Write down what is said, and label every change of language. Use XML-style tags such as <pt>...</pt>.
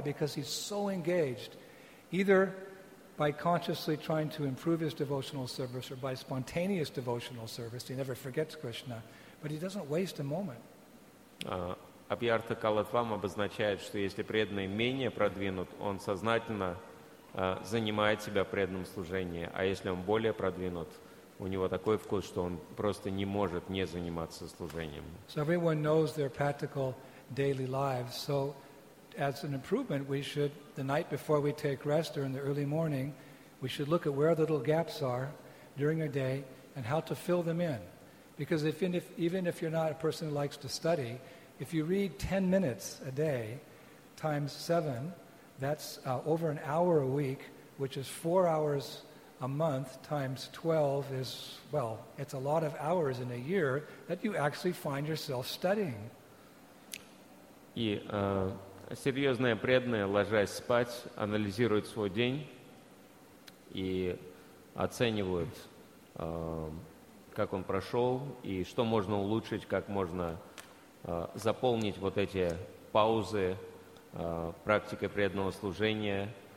<en>Because he's so engaged, either by consciously trying to improve his devotional service or by spontaneous devotional service, he never forgets Krishna, but he doesn't waste a moment.</en> <ru>Абьярта Калатвам обозначает, что если преданный менее продвинут, он сознательно занимает себя преданным служением, а если он более продвинут, у него такой вкус, что он просто не может не заниматься служением.</ru> <en>So everyone knows their practical daily lives, so as an improvement, we should, the night before we take rest or in the early morning, we should look at where the little gaps are during our day and how to fill them in. Because even if you're not a person who likes to study, if you read 10 minutes a day times 7, that's over an hour a week, which is 4 hours a month times 12 is, well, it's a lot of hours in a year that you actually find yourself studying.</en> <ru>Серьезные преданные, ложась спать, анализируют свой день и оценивают, как он прошел и что можно улучшить, как можно заполнить вот эти паузы практикой преданного служения,</ru>